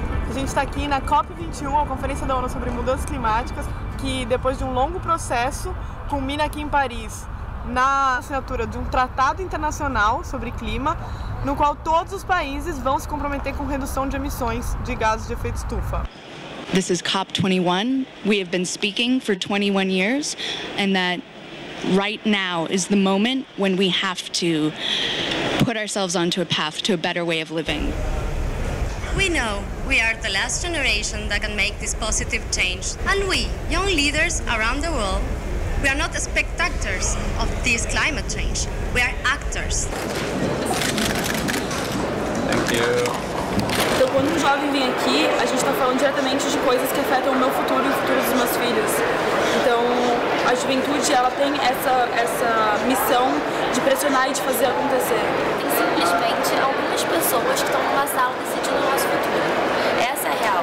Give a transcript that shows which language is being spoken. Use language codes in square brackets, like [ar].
[pt] A gente está aqui na COP21, a Conferência da ONU sobre Mudanças Climáticas, que depois de um longo processo, culmina aqui em Paris, na assinatura de um tratado internacional sobre clima, no qual todos os países vão se comprometer com redução de emissões de gases de efeito estufa. [en] This is COP21. We have been speaking for 21 years, and that right now is the moment when we have to put ourselves onto a path to a better way of living. We know we are the last generation that can make this positive change, and we, young leaders around the world, we are not spectators of this climate change. We are actors. Thank you. [pt] Então, quando um jovem vem aqui, a gente está falando diretamente de coisas que afetam o meu futuro e o futuro dos meus filhos. Então, a juventude, ela tem essa missão de pressionar e de fazer acontecer. Tem simplesmente algumas pessoas que estão numa sala decidindo o nosso futuro. Essa é a real.